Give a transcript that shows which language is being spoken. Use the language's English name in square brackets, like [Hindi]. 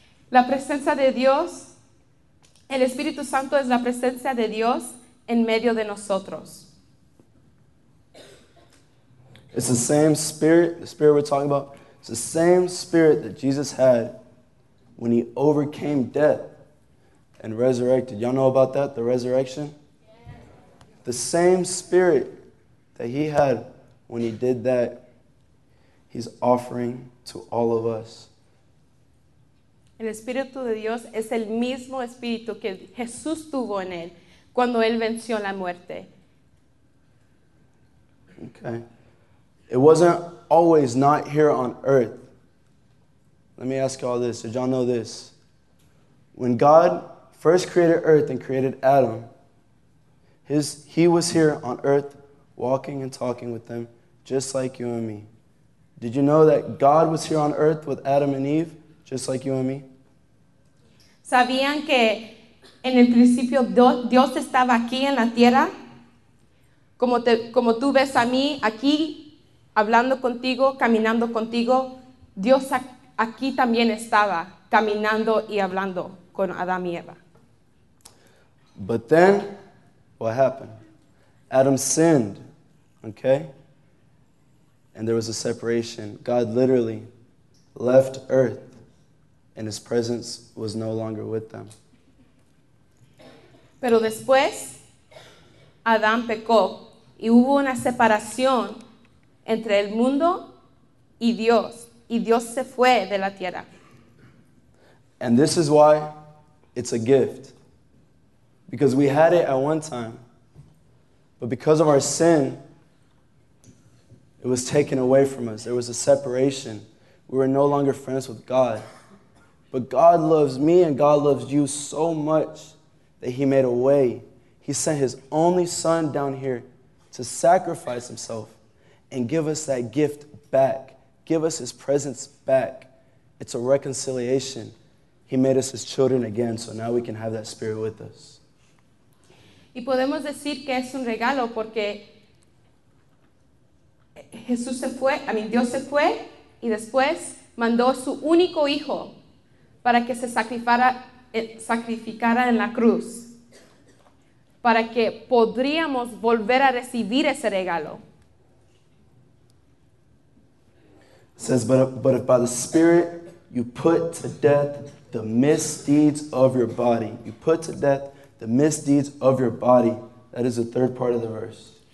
[Spanish] La presencia de Dios, el Espíritu Santo es la presencia de Dios en medio de nosotros. [English] It's the same Spirit, the Spirit we're talking about, it's the same Spirit that Jesus had when he overcame death. And resurrected. Y'all know about that? The resurrection? Yeah. The same Spirit that he had when he did that, he's offering to all of us. [Spanish] El Espíritu de Dios es el mismo Espíritu que Jesús tuvo en él cuando él venció la muerte. [English] Okay. It wasn't always not here on earth. Let me ask y'all this. Did y'all know this? When God first created earth and created Adam, he was here on earth walking and talking with them, just like you and me. Did you know that God was here on earth with Adam and Eve, just like you and me? [Spanish] ¿Sabían que en el principio Dios estaba aquí en la tierra? Como tú ves a mí aquí, hablando contigo, caminando contigo, Dios aquí también estaba, caminando y hablando con Adam y Eva. [English] But then, what happened? Adam sinned, okay? And there was a separation. God literally left earth, and his presence was no longer with them. [Spanish] Pero después, Adam pecó, y hubo una separación entre el mundo y Dios se fue de la tierra. [English] And this is why it's a gift. Because we had it at one time, but because of our sin, it was taken away from us. There was a separation. We were no longer friends with God. But God loves me and God loves you so much that he made a way. He sent his only son down here to sacrifice himself and give us that gift back. Give us his presence back. It's a reconciliation. He made us his children again, so now we can have that Spirit with us. [Spanish] Y podemos decir que es un regalo porque Jesús se fue, Dios se fue y después mandó su único hijo para que se sacrificara en la cruz, para que podríamos volver a recibir ese regalo. [English] It says, but if by the Spirit You put to death the misdeeds of your body. You put to death the misdeeds of your body. That is the third part of the verse.